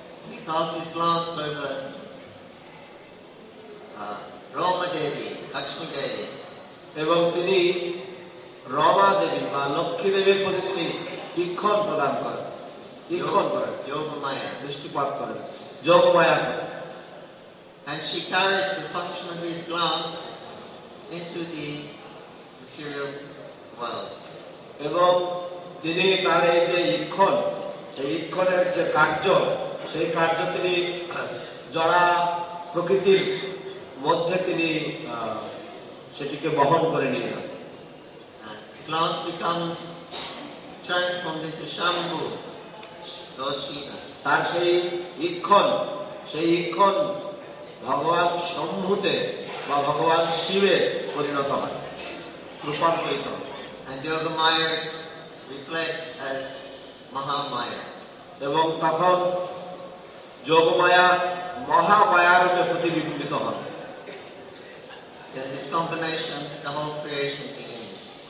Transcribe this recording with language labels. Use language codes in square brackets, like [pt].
[en] He calls his glance over Rama Devi, Lakshmi Devi. [bn] এবং তিনি রমা দেবী বা লক্ষ্মী দেবীর প্রতি তিনি ঈক্ষণ প্রদান করেন, ঈক্ষণ করেন, যোগ মায়া দৃষ্টিপাত করেন, যোগ মায়া করেন. And she carries the function of his glance into the material world. এবং তিনি তার এই যে ঈক্ষণ, সেই ঈক্ষণের যে কার্য, সেই কার্য তিনি জড়া প্রকৃতির মধ্যে তিনি সেটিকে বহন করে নিয়ে যান. Glance becomes transformed into Shambhu, Lord Shiva. তার সেই ঈক্ষণ, সেই ঈক্ষণ ভগবান শম্ভুতে বা ভগবান শিবে পরিণত হয়, রূপান্তরিত. And Yoga Maya's reflects as Mahamaya. এবং তখন যোগমায়া মহামায়া রূপে প্রতিবিম্বিত হয়. [en] Then this combination, the whole creation begins.